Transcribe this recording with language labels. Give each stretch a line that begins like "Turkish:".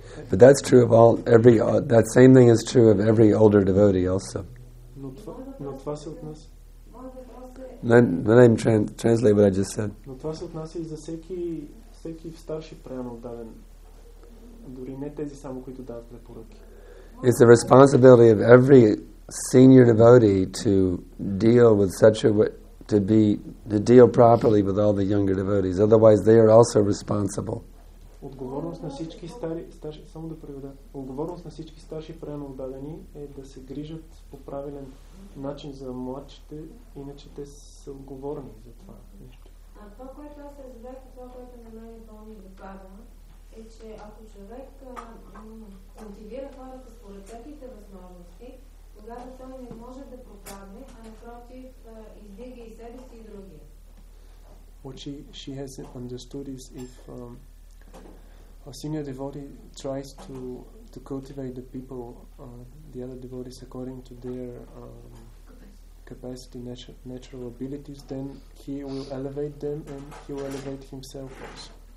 English: But that's true of all every that same thing is true of every older devotee also. Not fast enough. Let me translate what I just said.
Bulgarian: Но това се отнася и за всеки старши прямо отдаден, дори не тези само които дават препоръки.
English: It's the responsibility of every senior devotee to deal with such a to deal properly with all the younger devotees. Otherwise, they are also responsible.
Bulgarian: Отговорност на всички старши, само да преведа. Отговорност на всички старши прямо отдадени е да се грижат по правилен начин за младшите, иначе те са отговорни за това нещо. А това, което аз се задах, това, което на мен е по-ми доказано, е, че ако човек мотивира хората според техните възможности, тогава той не може да пропадне, а напротив, издига и себе си и другия.
English: What she has understood is if a senior devotee tries to cultivate the people, the other devotees, according to their capacity, natural abilities, then he will elevate them and he will elevate himself also.